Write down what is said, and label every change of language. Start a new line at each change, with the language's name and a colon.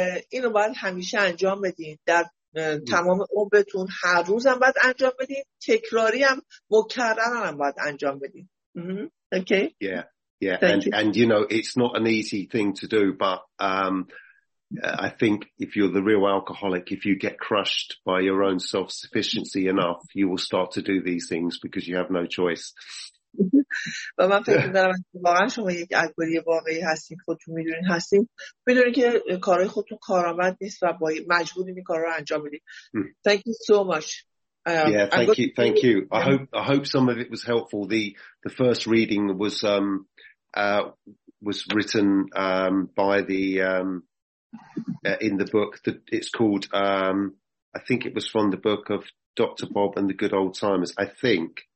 Persian: اینو باید همیشه انجام بدین در تمام عمرتون، هر روزم باید انجام بدین، تکراری هم مکررن هم باید انجام بدین.
English: Okay. Yeah. And you know, it's not an easy thing to do, but I think if you're the real alcoholic, if you get crushed by your own self-sufficiency enough, you will start to do these things because you have no choice.
Persian: و من فکر می‌کنم واقعا شما یک الگوری واقعی هستین، خودتون می‌دونین هستین، می‌دونین که کارهای خودتون کارآمد نیست و با مجبوری این کارا رو انجام بدید.
English: Thank you so much. Thank you. I hope some of it was helpful. The first reading was written by the in the book that it's called I think it was from the book of Dr. Bob and the Good Old Timers, I think.